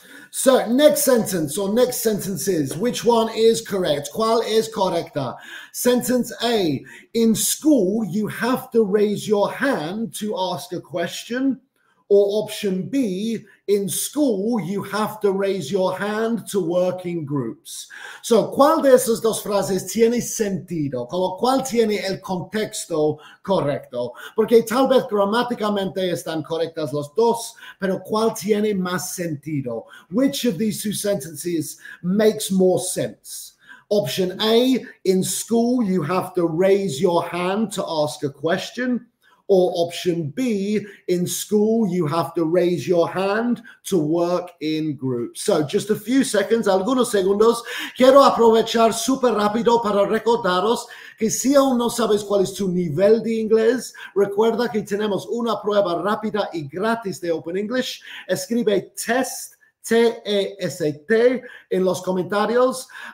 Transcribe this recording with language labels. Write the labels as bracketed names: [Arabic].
[English] So, next sentence or next sentences. Which one is correct? [Spanish] ¿Cuál es correcta? [English] Sentence A. In school, you have to raise your hand to ask a question. Or option B, in school, you have to raise your hand to work in groups. [Spanish] So, ¿cuál de esas dos frases tiene sentido? Como, ¿cuál tiene el contexto correcto? Porque tal vez gramáticamente están correctas las dos, pero ¿cuál tiene más sentido? [English] Which of these two sentences makes more sense? Option A, in school, you have to raise your hand to ask a question. Or option B, in school, you have to raise your hand to work in groups. So, just a few seconds, [Spanish] algunos segundos. Quiero aprovechar súper rápido para recordaros que si aún no sabes cuál es tu nivel de inglés, recuerda que tenemos una prueba rápida y gratis de Open English. Escribe test. T-E-S-T en los comentarios.